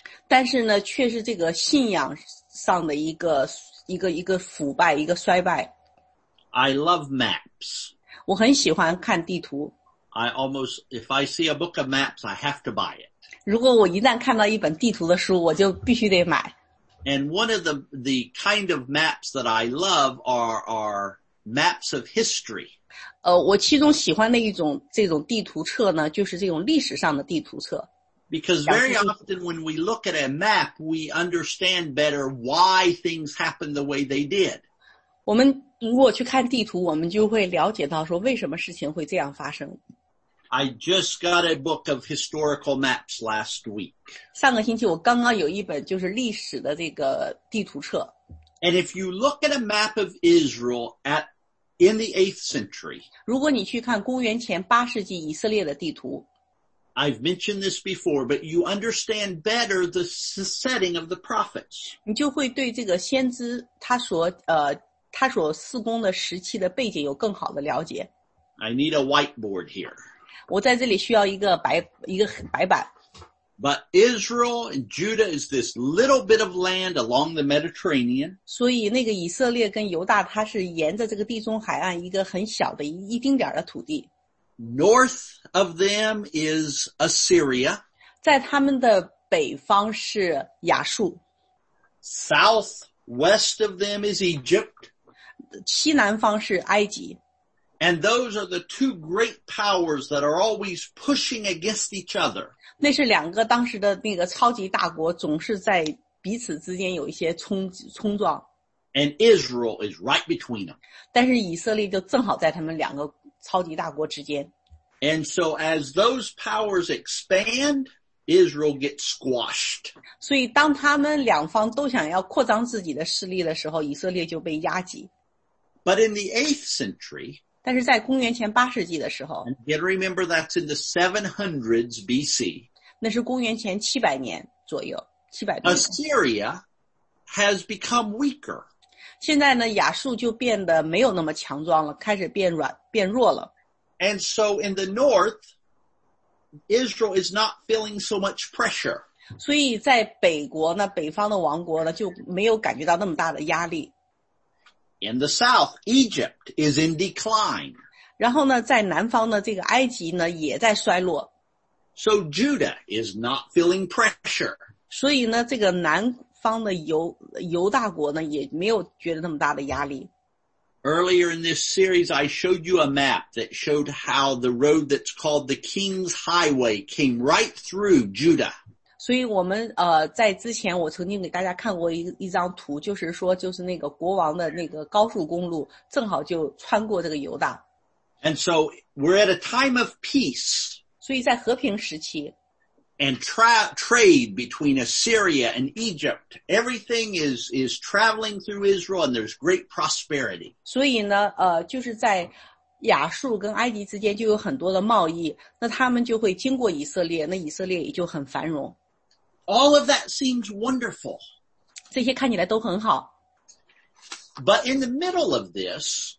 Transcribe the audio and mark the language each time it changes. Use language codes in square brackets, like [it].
[zh] 但是呢，却是这个信仰上的一个腐败，一个衰败。 [en] I love maps. [zh] 我很喜欢看地图。 [en] I almost, if I see a book of maps, I have to buy it. [zh] 如果我一旦看到一本地图的书，我就必须得买。 [en] And one of the kind of maps that I love are maps of history. [zh] 我其中喜欢的一种这种地图册呢，就是这种历史上的地图册。 [en] Because very often when we look at a map, we understand better why things happened the way they did. [zh] 我们如果去看地图，我们就会了解到说为什么事情会这样发生。 [en] I just got a book of historical maps last week. [zh] 上个星期我刚刚有一本就是历史的这个地图册。 [en] And if you look at a map of Israel in the 8th century, [zh] 如果你去看公元前八世纪以色列的地图， [en] I've mentioned this before, but you understand better the setting of the prophets. [zh] 你就会对这个先知他所事工的时期的背景有更好的了解。 [en] I need a whiteboard here. [zh] 我在这里需要一个白板。 [en] But Israel and Judah is this little bit of land along the Mediterranean. [zh] 所以那个以色列跟犹大它是沿着这个地中海岸一个很小的一丁点的土地。 [en] North of them is Assyria. [zh] 在他们的北方是亚述。 [en] Southwest of them is Egypt. [zh] 西南方是埃及。 [en] And those are the two great powers that are always pushing against each other. [zh] 那是两个当时的那个超级大国总是在彼此之间有一些冲撞。 [en] And Israel is right between them. [zh] 但是以色列就正好在他们两个超级大国之间。 [en] And so as those powers expand, Israel gets squashed. [zh] 所以当他们两方都想要扩张自己的势力的时候，以色列就被压挤。 [en] But in the 8th century, [zh] 但是在公元前八世纪的时候 [en] ，You gotta remember that's in the 700s BC. [zh] 那是公元前七百年左右，七百多年。 [en] Assyria has become weaker. [zh] 现在呢，亚述就变得没有那么强壮了，开始变弱了。 [en] And so in the north, Israel is not feeling so much pressure. [zh] 所以在北国呢，北方的王国呢，就没有感觉到那么大的压力。 [en] In the south, Egypt is in decline. [zh] 然后呢，在南方呢，这个埃及呢也在衰落。 [en] So Judah is not feeling pressure. [zh] 所以呢，这个南方的犹大国呢也没有觉得那么大的压力。 [en] Earlier in this series, I showed you a map that showed how the road that's called the King's Highway came right through Judah. [zh] 所以我们在之前我曾经给大家看过一张图，就是说就是那个国王的那个高速公路正好就穿过这个犹大。 [en] And so we're at a time of peace. [zh] 所以在和平时期。 [en] And trade between Assyria and Egypt. Everything is traveling through Israel and there's great prosperity. [zh] 所以呢就是在亚述跟埃及之间就有很多的贸易，那他们就会经过以色列，那以色列也就很繁荣。 [en] All of that seems wonderful. [zh] 这些看起来都很好。 [en] But in the middle of this,